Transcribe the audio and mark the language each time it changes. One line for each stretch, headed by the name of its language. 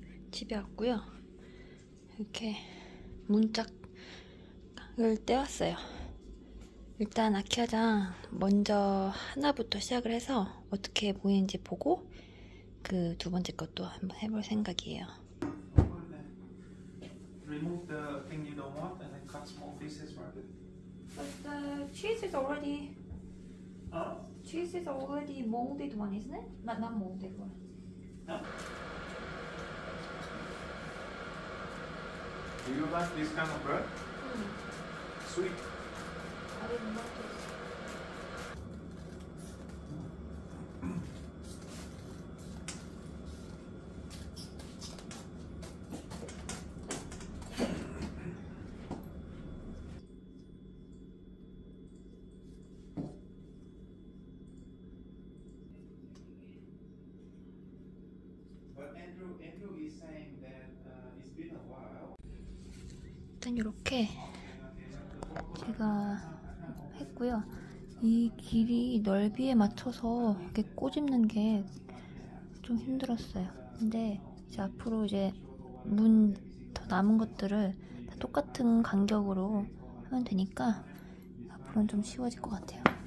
Korean: 집에 왔고요. 이렇게 문짝을 떼왔어요. 일단 아키아장 먼저 하나부터 시작을 해서 어떻게 보이는지 보고 그 두 번째 것도 한번 해볼 생각이에요.
English: Remove the thing you don't want and then cut small pieces from it. But the cheese is already cheese is already molded one, isn't it? Not molded one. No. Do you like this kind of bread? Sweet. But Andrew is saying that it's been a while.
Korean: 일단 이렇게 제가 했고요. 이 길이 넓이에 맞춰서 이렇게 꼬집는 게 좀 힘들었어요. 근데 이제 앞으로 이제 문 더 남은 것들을 다 똑같은 간격으로 하면 되니까 앞으로는 좀 쉬워질 것 같아요.